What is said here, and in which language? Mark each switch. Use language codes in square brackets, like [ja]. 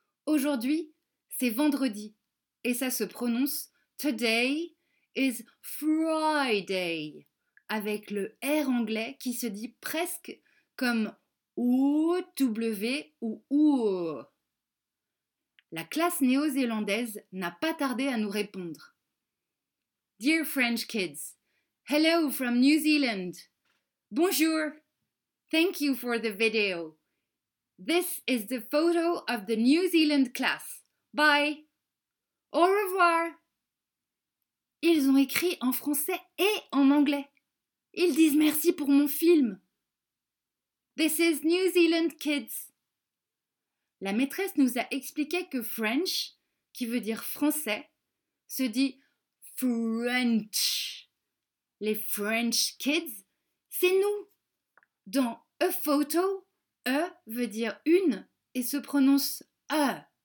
[fr] Aujourd'hui, c'est vendredi. Et ça se prononce [en] Today is Friday. [fr] Avec le R anglais qui se dit presque comme OW ou OO. La classe néo-zélandaise n'a pas tardé à nous répondre. [en] Dear French kids, hello from New Zealand. Bonjour. Thank you for the video. This is the photo of the New Zealand class. Bye. [fr] Au revoir. Ils ont écrit en français et en anglais. Ils disent merci pour mon film. [en] This is New Zealand kids. [fr] La maîtresse nous a expliqué que French, qui veut dire français, se dit French. Les French kids, c'est nous. Dans a photo, E veut dire une et se prononce E.